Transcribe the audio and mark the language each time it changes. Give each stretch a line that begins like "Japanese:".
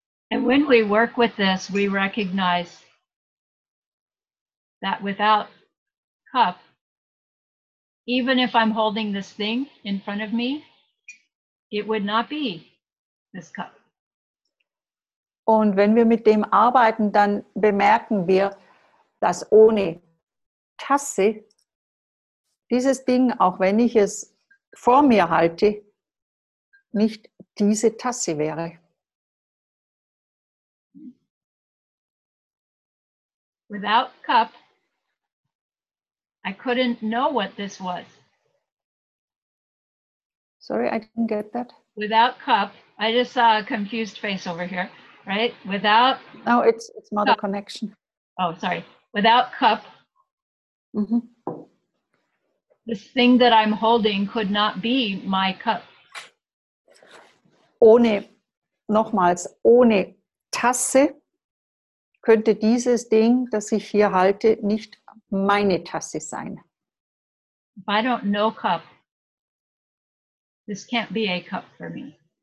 English: And when we work with this, we recognize that without cup, even if I'm holding this thing in front of me, it would not be this cup.
German: Und wenn wir mit dem arbeiten, dann bemerken wir, dass ohne Tasse dieses Ding, auch wenn ich es vor mir halte, nicht diese Tasse wäre.
English: Without cup, I couldn't know what this was. Sorry, I didn't get that. Without cup, I just saw a confused face over here, right? Without. No, it's not cup. A connection. Oh, sorry. Without cup, mm-hmm. This thing that I'm holding could not be my cup.
German: Ohne, nochmals, ohne Tasse könnte dieses Ding, das ich hier halte, nicht meine Tasse sein.
English: If I don't know cup, this can't be a cup for me.